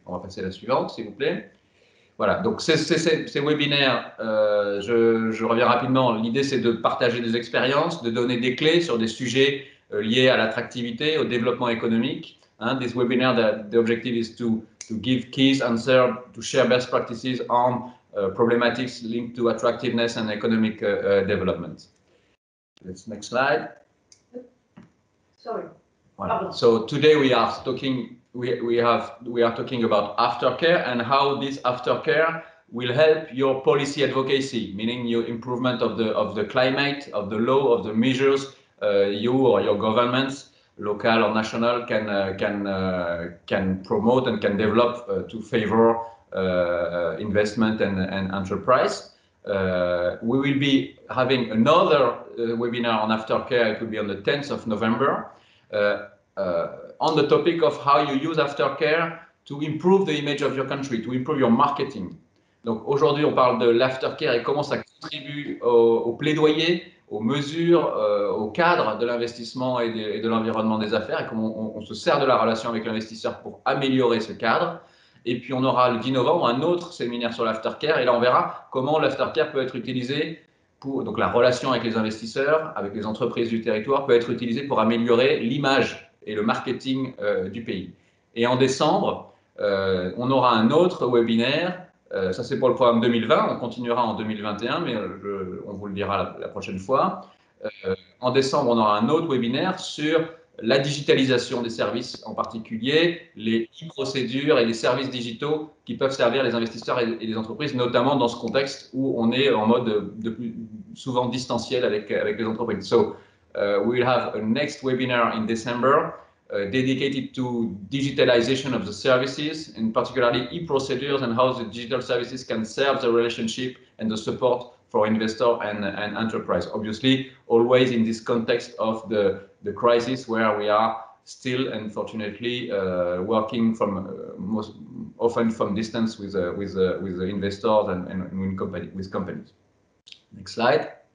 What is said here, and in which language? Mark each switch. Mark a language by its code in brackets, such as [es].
[fr] On va passer à la suivante, s'il vous plaît. Voilà, donc ces webinaires, je reviens rapidement. L'idée, c'est de partager des expériences, de donner des clés sur des sujets liés à l'attractivité, au développement économique. [en] Hein, this webinar, the objective is to give keys, answer, to share best practices on problematics linked to attractiveness and economic development. Let's next slide. Sorry. Voilà. So today we are talking. We are talking about aftercare and how this aftercare will help your policy advocacy, meaning your improvement of the climate, of the law, of the measures you or your governments, local or national, can promote and can develop to favor investment and enterprise. We will be having another webinar on aftercare. It will be on the 10th of November. On the topic of how you use aftercare to improve the image of your country, to improve your marketing. [fr] Donc aujourd'hui, on parle de l'aftercare et comment ça contribue au plaidoyer, aux mesures, au cadre de l'investissement et de l'environnement des affaires et comment on se sert de la relation avec l'investisseur pour améliorer ce cadre. Et puis on aura le 10 novembre un autre séminaire sur l'aftercare et là on verra comment l'aftercare peut être utilisé pour, donc la relation avec les investisseurs, avec les entreprises du territoire, peut être utilisée pour améliorer l'image et le marketing du pays. Et en décembre, on aura un autre webinaire. Ça, c'est pour le programme 2020. On continuera en 2021, mais on vous le dira la prochaine fois. En décembre, on aura un autre webinaire sur la digitalisation des services, en particulier les e-procédures et les services digitaux qui peuvent servir les investisseurs et les entreprises, notamment dans ce contexte où on est en mode de plus souvent distanciel avec les entreprises. So, [en] We'll have a next webinar in December dedicated to digitalization of the services, and particularly e-procedures and how the digital services can serve the relationship and the support for investor and enterprise. Obviously, always in this context of the crisis where we are still, unfortunately, working from most often from distance with the investors and with companies. Next slide.